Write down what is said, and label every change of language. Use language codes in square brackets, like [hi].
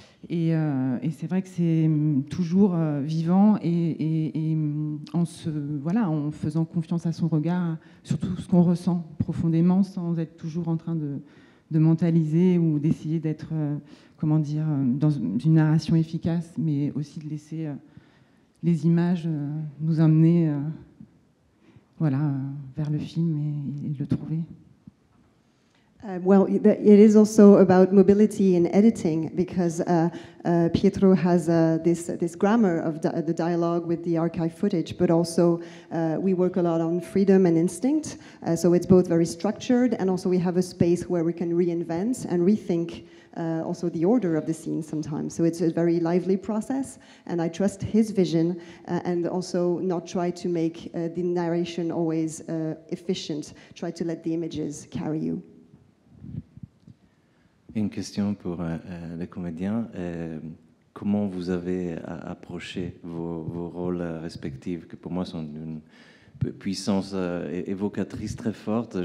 [fr] Et c'est vrai que c'est toujours vivant et en se voilà, en faisant confiance à son regard, surtout ce qu'on ressent profondément, sans être toujours en train de mentaliser ou d'essayer d'être comment dire, dans une narration efficace, mais aussi de laisser les images nous emmener voilà, vers le film et le trouver. [en] Well, it is also about mobility in editing, because Pietro has this grammar of the dialogue with the archive footage, but also we work a lot on freedom and instinct, so it's both very structured, and also we have a space where we can reinvent and rethink also the order of the scene sometimes. So it's a very lively process, and I trust his vision, and also not try to make the narration always efficient, try to let the images carry you. [fr] Une question pour le comédien. Comment vous avez approché vos rôles respectifs, qui pour moi sont d'une puissance évocatrice très forte?